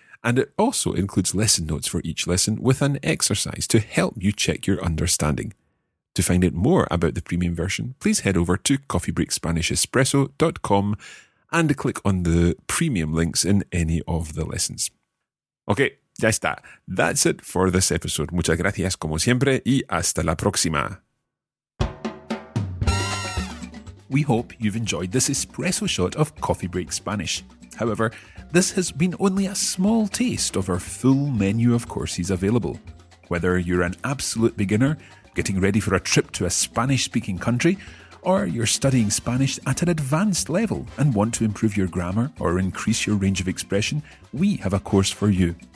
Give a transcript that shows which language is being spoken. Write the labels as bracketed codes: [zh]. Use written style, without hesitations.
[en] And it also includes lesson notes for each lesson with an exercise to help you check your understanding. To find out more about the premium version, please head over to coffeebreakspanishespresso.com and click on the premium links in any of the lessons. Okay, [es] ya está. [en] That's it for this episode. [es] Muchas gracias como siempre y hasta la próxima. [en] We hope you've enjoyed this espresso shot of Coffee Break Spanish. However, this has been only a small taste of our full menu of courses available. Whether you're an absolute beginner, getting ready for a trip to a Spanish-speaking country, or you're studying Spanish at an advanced level and want to improve your grammar or increase your range of expression, we have a course for you.